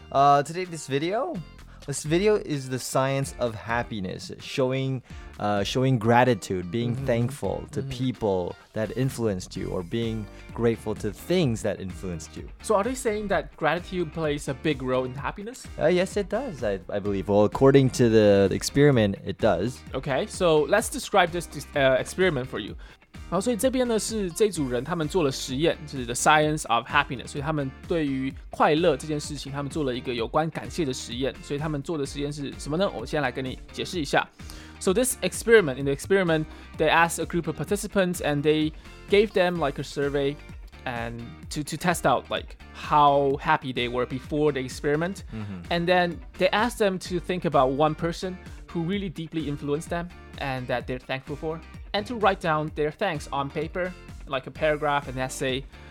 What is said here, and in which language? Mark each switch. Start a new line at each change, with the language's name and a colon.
English: Today, this video is the science of happiness, showing gratitude, being thankful to people that influenced you, or being grateful to things that influenced you. So are they saying that gratitude plays a big role in happiness? Yes, it does, I believe. Well, according to the experiment, it does. Okay, so let's describe this experiment for you.
Chinese: 好，所以这边呢是这组人他们做了实验，就是 The Science of Happiness。所以他们对于快乐这件事情，他们做了一个有关感谢的实验。所以他们做的实验是什么呢？我先来跟你解释一下。
English: So this experiment, in the experiment, they asked a group of participants and they gave them like a survey and to test out like how happy they were before the experiment. And then they asked them to think about one person who really deeply influenced them and that they're thankful for, and to write down their thanks on paper, like a paragraph, an essay.